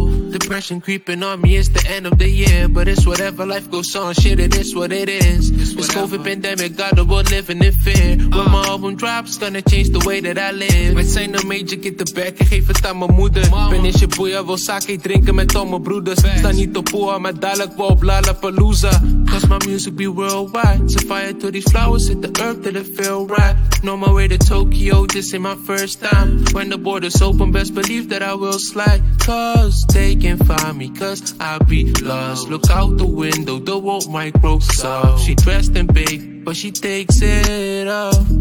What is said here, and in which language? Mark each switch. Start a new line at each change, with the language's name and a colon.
English: Depression creeping on me, it's the end of the year. But it's whatever, life goes on, shit, it is what it is. This COVID pandemic got the world living in fear. When my album drops, gonna change the way that I live.
Dutch: Met zijn een major,
English: get the back
Dutch: en geef het aan mijn moeder. Ben in Shibuya, wil sake drinken met al mijn broeders. Sta niet op Poa, maar dadelijk wel op Lollapalooza.
English: Cause my music be worldwide. Set fire to these flowers, hit the earth till it feel right. Know my way to Tokyo, this ain't my first time. When the borders open, best believe that I will slide. Cause they can't find me, cause I be lost. Look out the window, the world might grow soft. She dressed in big, but she takes it off.